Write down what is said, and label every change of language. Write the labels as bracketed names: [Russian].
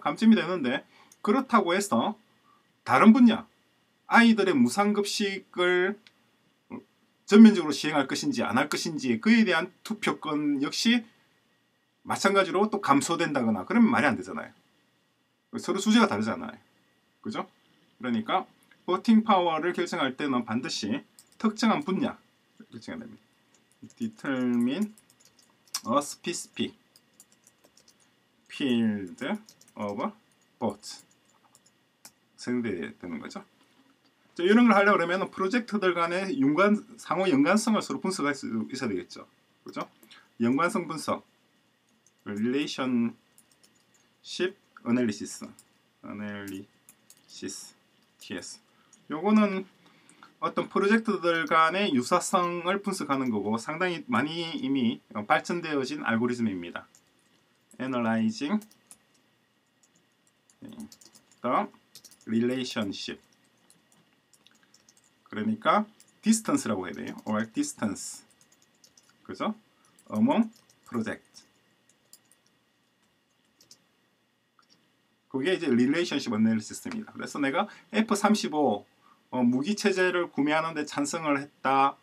[Korean] 감점이 되는데 그렇다고 해서 다른 분야 아이들의 무상급식을 전면적으로 시행할 것인지 안 할 것인지 그에 대한 투표권 역시 마찬가지로 또 감소된다거나 그러면 말이 안 되잖아요. 서로 주제가 다르잖아요. 그죠? 그러니까 voting power를 결정할 때는 반드시 특정한 분야 결정해야 됩니다. [English] Determine a specific field of vote [Korean] 생대되는 거죠. 이런 걸 하려고 그러면 프로젝트들 간의 상호 연관성을 서로 분석할 수 있어야 되겠죠. 그죠? 연관성 분석. [English] Relationship Analysis. Analysis. TS. [Korean] 요거는 어떤 프로젝트들 간의 유사성을 분석하는 거고 상당히 많이 이미 발전되어진 알고리즘입니다. [English] Analyzing the relationship. [Korean] 그러니까 distance라고 해야 돼요. [English] or distance. [Korean] 그죠? [English] among project. [Korean] 그게 이제 relationship analysis입니다. 그래서 내가 F-35 무기 체제를 구매하는데 찬성을 했다.